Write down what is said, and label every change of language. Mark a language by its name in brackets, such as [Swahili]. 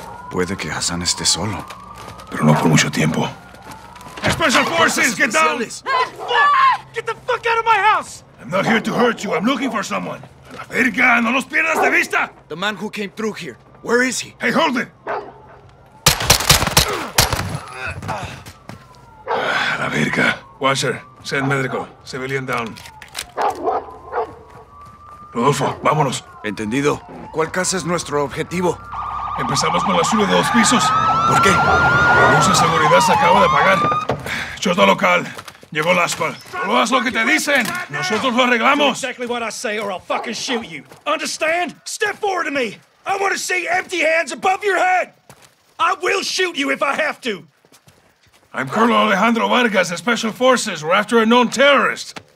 [Spanish] Puede que Hassan esté solo. Pero no por mucho tiempo. [English] Special Forces, get down! Get the fuck out of my house! I'm not here to hurt you. I'm looking for someone. [Spanish] A la verga, no los pierdas de vista! [English] The man who came through here, where is he? Hey, hold it! [Spanish] La verga. [English] Washer, send medical. Civilian down. [Spanish] Rodolfo, vámonos. Entendido. ¿Cuál casa es nuestro objetivo? Empezamos con la suya de dos pisos. ¿Por qué? La luz de seguridad se acaba de apagar. Chota local. Llegó el asfalt. ¡No hagas lo que te dicen! ¡Nosotros lo arreglamos! [English] Do exactly what I say or I'll fucking shoot you. Understand? Step forward to me. I want to see empty hands above your head. I will shoot you if I have to. I'm Colonel Alejandro Vargas, the Special Forces. We're after a known terrorist.